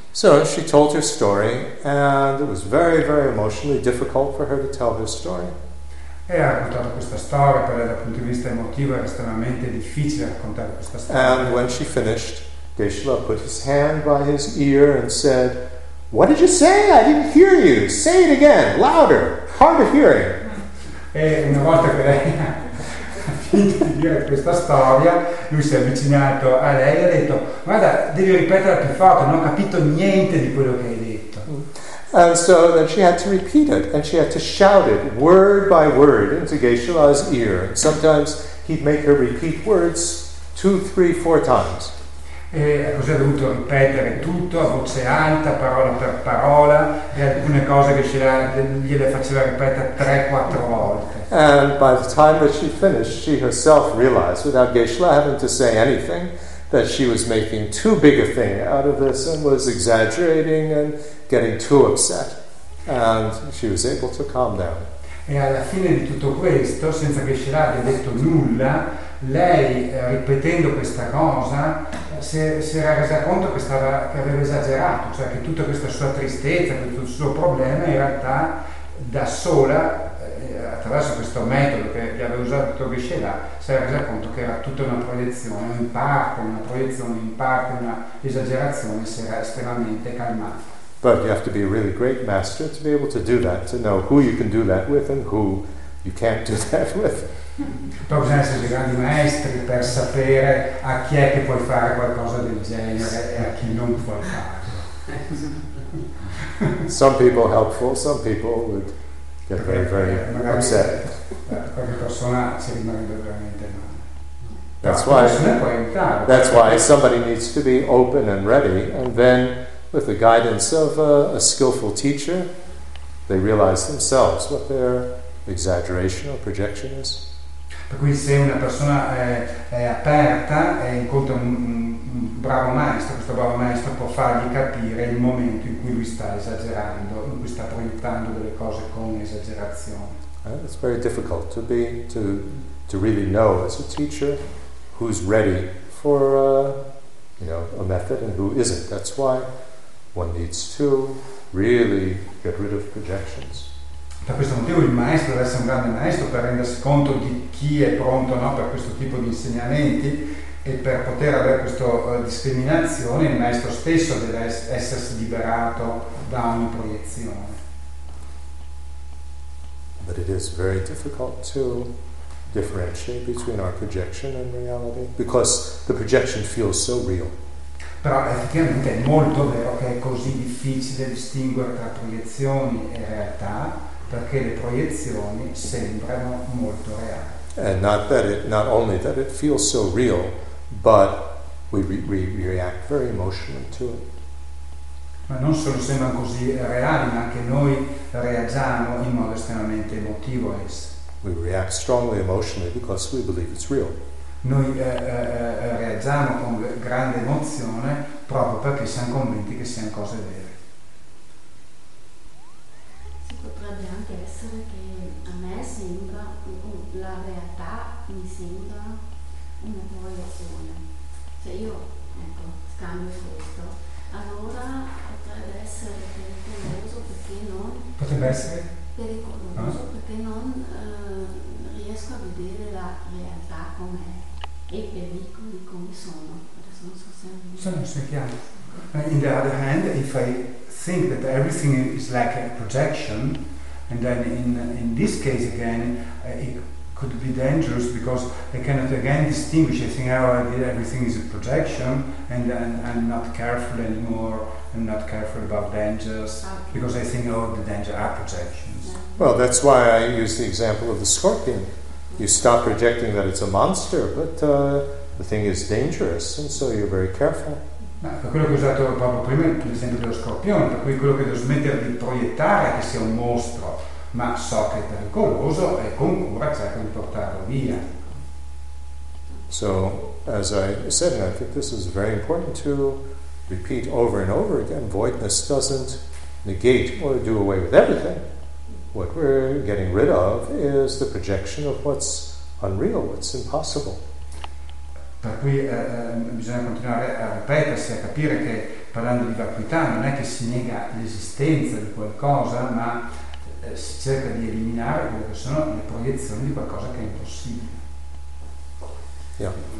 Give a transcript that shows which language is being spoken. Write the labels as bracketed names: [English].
[English] So she told her story, and it was very, very emotionally difficult for her to tell her story. [Italian] E ha raccontato questa storia, però dal punto di vista emotivo era estremamente difficile raccontare questa storia. [English] And when she finished, Geshe-la put his hand by his ear and said, "What did you say? I didn't hear you. Say it again, louder, hard of hearing." [Italian] E una volta che lei ha finito di dire questa storia, lui si è avvicinato a lei e ha detto, "Guarda, devi ripetere più forte, non ho capito niente di quello che hai detto." [English] And so then she had to repeat it, and she had to shout it word by word into Geshe-la's ear. Sometimes he'd make her repeat words 2, 3, 4 times. [Italian] E così ha dovuto ripetere tutto a voce alta, parola per parola, e alcune cose che gliele faceva ripetere 3, 4 volte. [English] And by the time that she finished, she herself realized, without Geshe-la having to say anything, that she was making too big a thing out of this and was exaggerating and getting too upset, and she was able to calm down. [Italian] E alla fine di tutto questo, senza che Geshe-la abbia detto nulla, lei, ripetendo questa cosa, si era resa conto che aveva esagerato, cioè che tutta questa sua tristezza, tutto il suo problema, in realtà, da sola, attraverso questo metodo che gli aveva usato Geshe-la, si era resa conto che era tutta una proiezione, in parte una proiezione, in parte una esagerazione, si era estremamente calmata. [English] But you have to be a really great master to be able to do that, to know who you can do that with and who you can't do that with. [Italian] Però bisogna essere grandi maestri per sapere a chi è che puoi fare qualcosa del genere e a chi non puoi fare. [English] Some people helpful, some people would get very, very upset. [Italian] Qualche persona ci rimarrebbe veramente male. [English] That's why somebody needs to be open and ready, and then with the guidance of a skillful teacher, they realize themselves what their exaggeration or projection is. [Italian] Per cui se una persona è aperta e incontra un bravo maestro, questo bravo maestro può fargli capire il momento in cui lui sta esagerando, in cui sta proiettando delle cose con esagerazione. [English] It's very difficult to really know as a teacher who's ready for a method and who isn't. That's why one needs to really get rid of projections. [Italian] Per questo motivo il maestro deve essere un grande maestro per rendersi conto di chi è pronto, no, per questo tipo di insegnamenti, e per poter avere questa discriminazione il maestro stesso deve essersi liberato da ogni proiezione. [English] But it is very difficult to differentiate between our projection and reality, because the projection feels so real. [Italian] Però effettivamente è molto vero che è così difficile distinguere tra proiezioni e realtà, perché le proiezioni sembrano molto reali. [English] And not only that it feels so real, but we react very emotionally to it. [Italian] Ma non solo sembrano così reali, ma anche noi reagiamo in modo estremamente emotivo a esse. [English] We react strongly emotionally because we believe it's real. [Italian] Noi reagiamo con grande emozione proprio perché siamo convinti che siano cose vere. Si potrebbe anche essere che a me sembra, la realtà mi sembra una proiezione. Se io, ecco, scambio questo, allora potrebbe essere pericoloso perché non potrebbe essere pericoloso perché non riesco a vedere la realtà com'è e i pericoli come sono. Adesso non so se chiaro. [English] In the other hand, if I think that everything is like a projection, and then in this case again, it could be dangerous because I cannot again distinguish. I think, oh, everything is a projection, and then I'm not careful anymore. I'm not careful about dangers because I think, oh, the danger are projections. Well, that's why I use the example of the scorpion. You stop projecting that it's a monster, but the thing is dangerous, and so you're very careful. [Italian] No, quello che ho usato proprio prima è l'esempio dello scorpione, per cui quello che devo smettere di proiettare che sia un mostro, ma so che è pericoloso e con cura cerco di portarlo via. [English] So, as I said, and I think this is very important to repeat over and over again, voidness doesn't negate or do away with everything. What we're getting rid of is the projection of what's unreal, what's impossible. [Italian] Per cui bisogna continuare a ripetersi, a capire che parlando di vacuità non è che si nega l'esistenza di qualcosa, ma si cerca di eliminare quelle che sono le proiezioni di qualcosa che è impossibile. [English] Yeah.